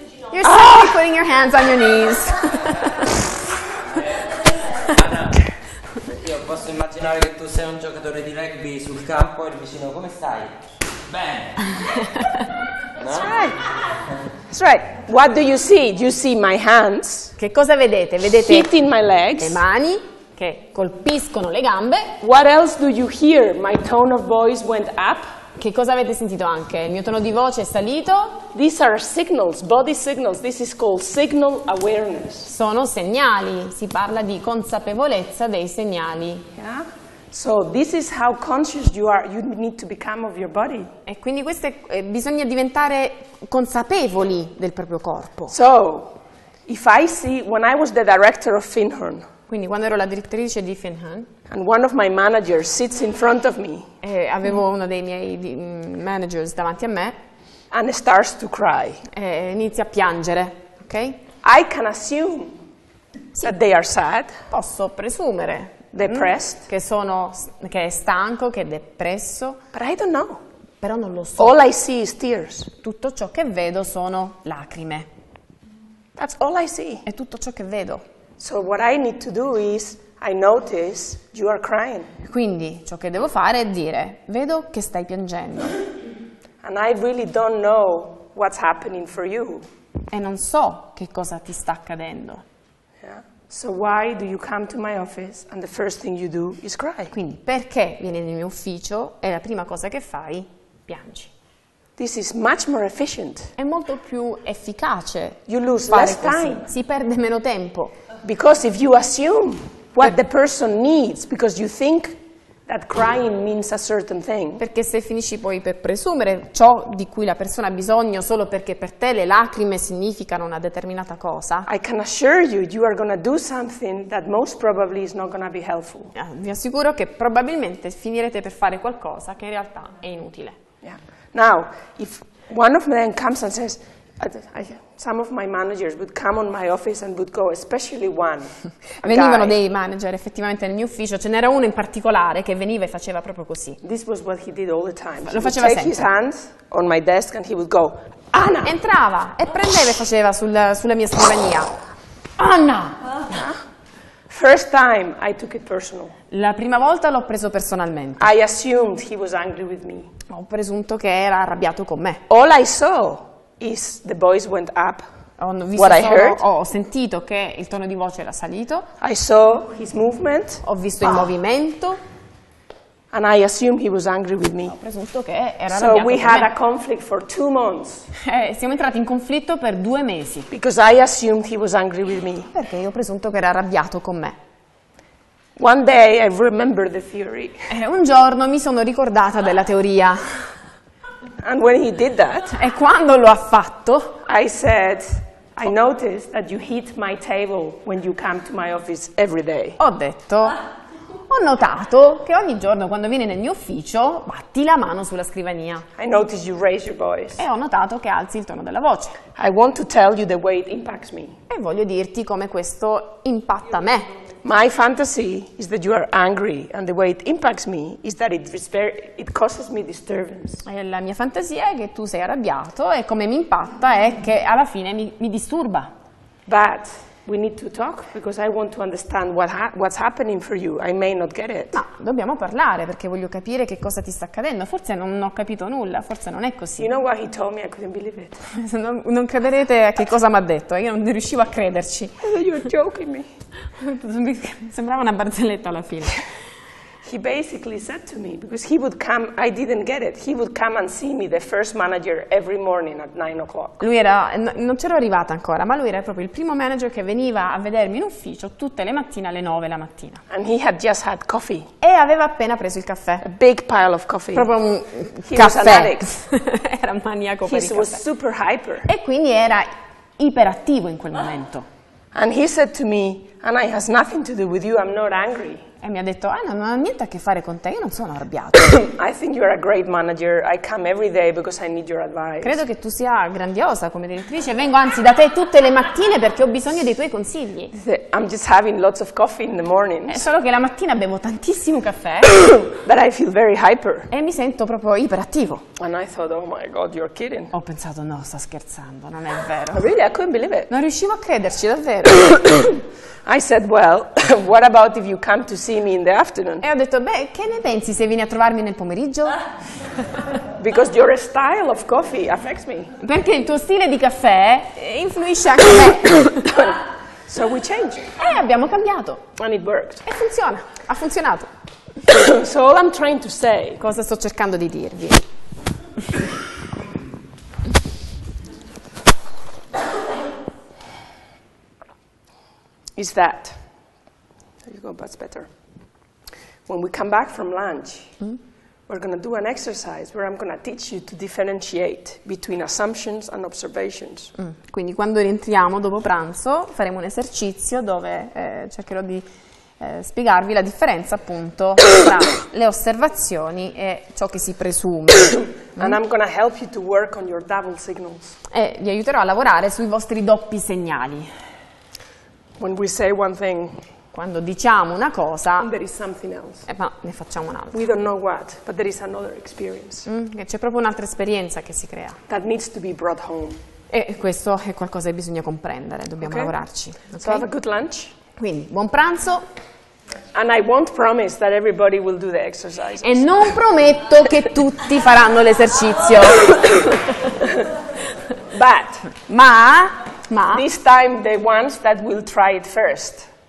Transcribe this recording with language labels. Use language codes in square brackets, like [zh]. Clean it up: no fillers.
[en] You're simply putting your hands on your knees. [it] Io posso immaginare che tu sei un giocatore di rugby sul campo e il vicino come stai? Bene. [en] That's right. What do you see? Do you see my hands? [it] Che cosa vedete? Vedete? [en] Hitting my legs. [it] Le mani che colpiscono le gambe. [en] What else do you hear? My tone of voice went up. [it] Che cosa avete sentito anche? Il mio tono di voce è salito. [en] These are signals, body signals. This is called signal awareness. [it] Sono segnali. Si parla di consapevolezza dei segnali. [en] Yeah. So this is how conscious you are. You need to become of your body. [it] E quindi questo è, bisogna diventare consapevoli del proprio corpo. [en] So, if I see when I was the director of Finhorn. [it] Quindi quando ero la direttrice di Finhorn. [en] And one of my managers sits in front of me. [it] E avevo uno dei miei managers davanti a me. [en] And starts to cry. [it] E inizia a piangere, ok? [en] I can assume that they are sad. [it] Posso presumere. [en] Depressed. [it] Che sono, che è stanco, che è depresso. [en] But I don't know. [it] Però non lo so. [en] All I see is tears. [it] Tutto ciò che vedo sono lacrime. [en] That's all I see. [it] È tutto ciò che vedo. [en] So what I need to do is I notice you are crying. [it] Quindi ciò che devo fare è dire vedo che stai piangendo. [en] And I really don't know what's happening for you. [it] E non so che cosa ti sta accadendo. [en] Yeah. So why do you come to my office and the first thing you do is cry? [it] Quindi perché vieni nel mio ufficio e la prima cosa che fai piangi? [en] This is much more efficient. [it] È molto più efficace. [en] You lose less time. [it] Si perde meno tempo. [en] Because if you assume what the person needs because you think that crying means a certain thing. [it] Perché se finisci poi per presumere ciò di cui la persona ha bisogno solo perché per te le lacrime significano una determinata cosa. [en] I can assure you you are going to do something that most probably is not going to be helpful. [it] Vi assicuro che probabilmente finirete per fare qualcosa che in realtà è inutile. [en] Yeah. Now, if one of them comes and says some of my managers would come on my office and would go, especially one. [it] Venivano dei manager effettivamente nel mio ufficio, ce n'era uno in particolare che veniva e faceva proprio così. [en] This was what he did all the time. [it] Lo faceva sempre. [en] He would take his hands on my desk and he would go, Anna. [it] Entrava e prendeva e faceva sulla mia scrivania. Anna. [en] First time I took it personal. [it] La prima volta l'ho preso personalmente. [en] I assumed he was angry with me. [it] Ho presunto che era arrabbiato con me. [en] All I saw is the voice went up. [it] Ho sentito che il tono di voce era salito. [en] I saw his movement. [it] Ho visto il movimento. [en] And I assumed he was angry with me. [it] Ho presunto che era [en] so [it] arrabbiato. [en] So we had me. A conflict for 2 months. [it] Siamo entrati in conflitto per 2 mesi. [en] Because I assumed he was angry with me. [it] Perché io ho presunto che era arrabbiato con me. [en] One day I remember the theory. [it] Un giorno mi sono ricordata della teoria. [en] And when he did that, [it] e quando lo ha fatto, [en] I said, I noticed that you hit my table when you come to my office every day. [it] Ho detto, ho notato che ogni giorno quando vieni nel mio ufficio batti la mano sulla scrivania. [en] I noticed you raise your voice. [it] E ho notato che alzi il tono della voce. [en] I want to tell you the way it impacts me. [it] E voglio dirti come questo impatta me. [en] My fantasy is that you are angry and the way it impacts me is that it causes me disturbance. [it] E la mia fantasia è che tu sei arrabbiato e come mi impatta è che alla fine mi disturba. [en] But we need to talk because I want to understand what's happening for you. I may not get it. [it] Ma dobbiamo parlare perché voglio capire che cosa ti sta accadendo. Forse non ho capito nulla, forse non è così. [en] You know what he told me? I couldn't believe it. [it] Non crederete a che cosa mi ha detto. Io non riuscivo a crederci. [en] You're joking me. [it] Sembrava una barzelletta alla fine. [en] He basically said to me because he would come. I didn't get it. He would come and see me, the first manager, every morning at 9 o'clock. [it] Lui era non c'ero arrivata ancora, ma lui era proprio il primo manager che veniva a vedermi in ufficio tutte le mattine alle 9 la mattina. [en] And he had just had coffee. [it] E aveva appena preso il caffè. [en] A big pile of coffee. [it] Proprio un [en] he [it] caffè. [en] Was [it] era maniaco per il caffè. [en] He was super hyper. [it] E quindi era iperattivo in quel momento. [en] And he said to me, and I has nothing to do with you. I'm not angry. [it] E mi ha detto, ah, no, non ha niente a che fare con te, io non sono arrabbiato. [en] I think you are a great manager, I come every day because I need your advice. [it] Credo che tu sia grandiosa come direttrice, vengo anzi da te tutte le mattine perché ho bisogno dei tuoi consigli. [en] I'm just having lots of coffee in the morning. [it] È solo che la mattina bevo tantissimo caffè. [en] But I feel very hyper. [it] E mi sento proprio iperattivo. [en] And I thought, oh my god, you're kidding. [it] Ho pensato, no, sta scherzando, non è vero. [en] Really, I couldn't believe it. [it] Non riuscivo a crederci, davvero. [en] I said, well, what about if you come to see me in the afternoon? [it] E ho detto, beh, che ne pensi se vieni a trovarmi nel pomeriggio? [en] Because your style of coffee affects me. [it] Perché il tuo stile di caffè influisce anche me. [en] So we change. [it] E abbiamo cambiato. [en] And it worked. [it] E funziona, ha funzionato. [en] So all I'm trying to say. [it] Cosa sto cercando di dirvi? [en] Is that you go much better? When we come back from lunch, we're gonna do an exercise where I'm gonna teach you to differentiate between assumptions and observations. [it] Quindi quando rientriamo dopo pranzo faremo un esercizio dove cercherò di spiegarvi la differenza appunto tra le osservazioni e ciò che si presume. [en] And I'm gonna help you to work on your double signals. [it] E vi aiuterò a lavorare sui vostri doppi segnali. [en] When we say one thing, [it] quando diciamo una cosa, [en] there is something else. [it] Ma ne facciamo un'altra. [en] We don't know what, but there is another experience. [it] C'è proprio un'altra esperienza che si crea. [en] That needs to be brought home. [it] E questo è qualcosa che bisogna comprendere, dobbiamo lavorarci. [en] Okay? So have a good lunch. [it] Quindi, buon pranzo. [en] And I won't promise that everybody will do the exercises. [it] E non prometto che tutti faranno l'esercizio. [en] But. [it] Ma. [en] This time the ones that will try it first.